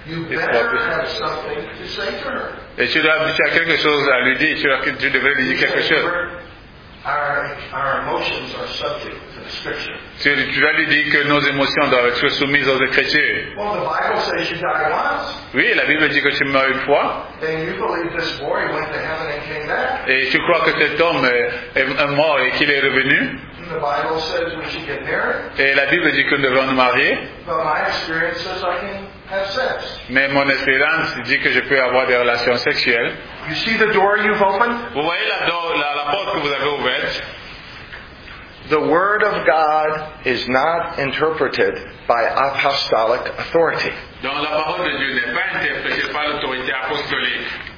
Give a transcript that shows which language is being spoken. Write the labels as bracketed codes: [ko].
[fr] Tu as quelque chose à lui dire, tu devrais lui dire quelque chose. [en] Our emotions are subject to the scripture. [fr] Tu vas lui dire que nos émotions doivent être soumises aux Écritures. [en] Well, the Bible says you die once. [fr] Oui, la Bible dit que tu meurs une fois. [en] Then you believe this boy went to heaven and came back. [fr] Et tu crois que cet homme est mort et qu'il est revenu. [en] And the Bible says we should get married. [fr] Et la Bible dit que nous devons nous marier. [en] But my experience says I can have sex. [fr] Mais mon expérience dit que je peux avoir des relations sexuelles. [en] You see the door you've opened? [fr] Vous voyez la porte que vous avez ouverte? [en] The word of God is not interpreted by apostolic authority. [fr] Donc la parole de Dieu n'est pas interprétée par l'autorité apostolique.